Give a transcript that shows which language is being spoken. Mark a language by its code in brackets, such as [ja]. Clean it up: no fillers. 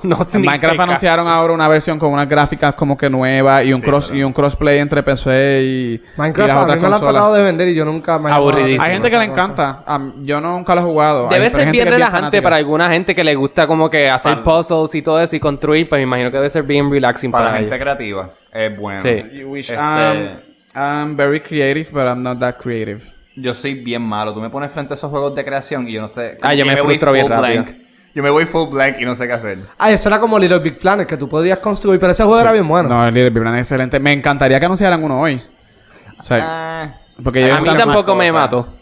[es] En Minecraft anunciaron ahora una versión con unas gráficas como que nuevas y un crossplay entre PC y Minecraft, y a mí me lo han tratado de vender y yo nunca... Aburridísimo. Hay gente que le encanta. Yo nunca lo he jugado. Debe ser bien relajante para alguna gente que le gusta como que hacer puzzles y todo eso y construir, pues me imagino que debe ser bien relaxing para la gente creativa. Es bueno. Sí. [en] I'm very creative, but I'm not that creative. [es] Yo soy bien malo. Tú me pones frente a esos juegos de creación y yo no sé. Yo me frustro bien rápido. Yo me voy [en] full blank [es] y no sé qué hacer. Eso era como Little Big Planet que tú podías construir, pero ese juego era bien bueno. No, Little Big Planet es excelente. Me encantaría que anunciaran uno hoy. O sea, porque a mí tampoco me mato.